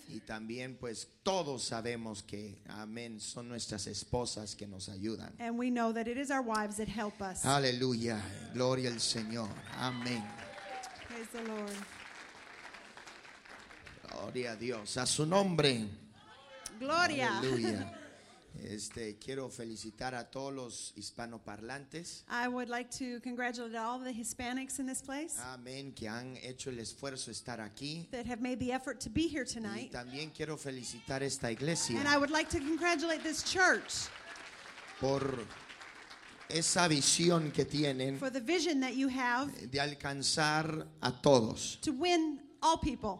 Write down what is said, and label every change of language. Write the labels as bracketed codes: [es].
[es] Y también pues todos sabemos que amén, son nuestras esposas que nos ayudan. [en] And we know that it is our wives that help us. [es] Aleluya. Gloria al Señor. Amén. [en] Praise the Lord. [es] Gloria a Dios. A su nombre. Gloria. Aleluya. Quiero felicitar a todos los hispanoparlantes. [en] I would like to congratulate all the Hispanics in this place. [es] Amén, que han hecho el esfuerzo de estar aquí. [en] That have made the effort to be here tonight. [es] Y también quiero felicitar esta iglesia. [en] And I would like to congratulate this church. [es] Por esa visión que tienen. [en] For the vision that you have. [es] De alcanzar a todos. [en] To win all people.